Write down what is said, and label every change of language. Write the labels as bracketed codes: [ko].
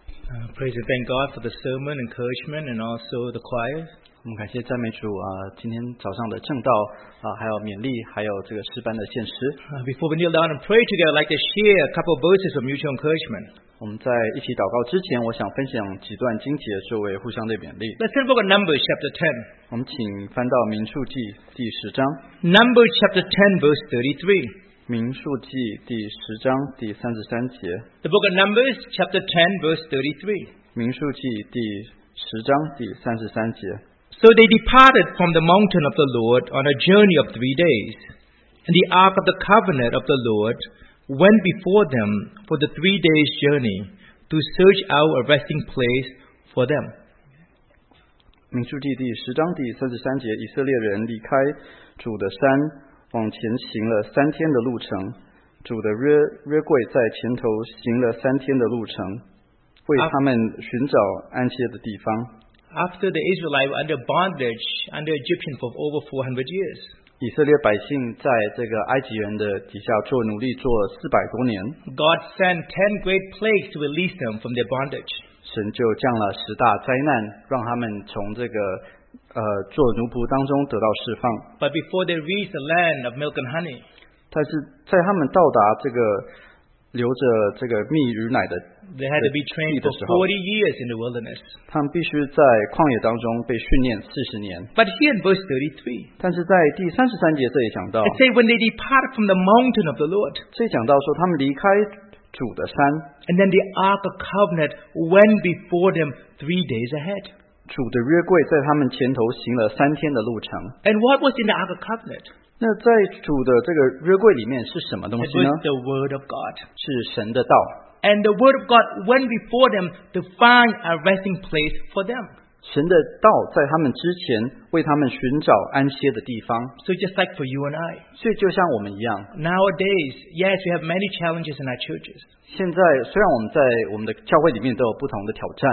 [en] Praise and thank God for the sermon, encouragement, and also the choir. [zh] 我们感谢赞美主啊，今天早上的正道啊，还有勉励，还有这个诗班的献诗。 [en] Before we kneel down and pray together, I'd like to share a couple of verses of mutual encouragement. [zh] 我们在一起祷告之前，我想分享几段经节作为互相的勉励。 [en] Let's turn to Numbers chapter 10. [zh] 我们请翻到民数记第十章。 [en] Numbers chapter 10, verse 33. [zh] 民数记第十章第三十三节。 [en] The book of Numbers, chapter 10, verse 33. [zh] 民数记第十章第三十三节。 [en] So they departed from the mountain of the Lord on a journey of 3 days, and the ark of the covenant of the Lord went before them for the 3 days' journey to search out a resting place for them. [zh] 民数记第十章第三十三节，以色列人离开主的山。往前行了三天的路程，主的约柜在前头行了三天的路程，为他们寻找安歇的地方。 [en] After the Israelites under bondage under Egyptian for over 400 years, [zh] 以色列百姓在这个埃及人的底下做奴隶做四百多年。 [en] God sent 10 great plagues to release them from their bondage. [zh] 神就降了十大灾难，让他们从这个做奴仆当中得到释放。 [en] But before they reach the land of milk and honey, [zh] 但是在他们到达这个流着这个蜜与奶的 [en] they had to be trained for 40 years in the wilderness. [zh] 他们必须在旷野当中被训练40年。 [en] But here in verse 33, [zh] 但是在第33节这里讲到 [en] it says when they depart from the mountain of the Lord, [zh] 这里讲到说他们离开主的山 [en] and then the Ark of Covenant went before them 3 days ahead. [zh] 主的约柜在他们前头行了三天的路程。 [en] And what was in the Ark of Covenant? [zh] 那在主的这个约柜里面是什么东西呢？ [en] It was the Word of God. [zh] 是神的道。 [en] And the Word of God went before them to find a resting place for them. [zh] 神的道在他们之前为他们寻找安歇的地方。 [en] So just like for you and I. [zh] 所以就像我们一样。 [en] Nowadays, yes, we have many challenges in our churches. [zh] 现在虽然我们在我们的教会里面都有不同的挑战。